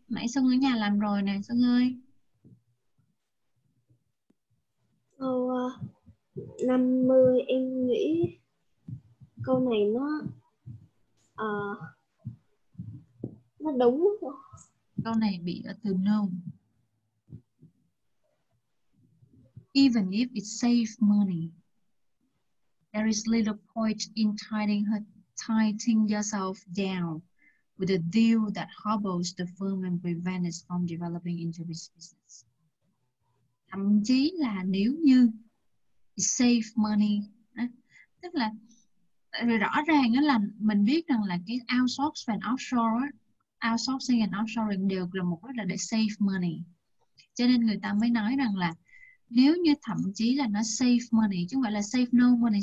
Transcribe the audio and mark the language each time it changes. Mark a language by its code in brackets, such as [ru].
[vi] Nãy Sưng ở nhà làm rồi nè Sưng ơi. Câu 50 em nghĩ câu này nó đúng không? Câu này bị ở từ no. [en] Even if it saves money, there is little point in tying yourself down with a deal that hobbles the firm and prevents it from developing into its business. [vi] Thậm chí là nếu như [en] it save money, [vi] tức là rõ ràng đó là mình biết rằng là cái outsource và offshore, [en] outsourcing and offshoring [vi] đều là một cách là để save money. Cho nên người ta mới nói rằng là nếu như thậm chí là nó save money chứ không phải là save no money.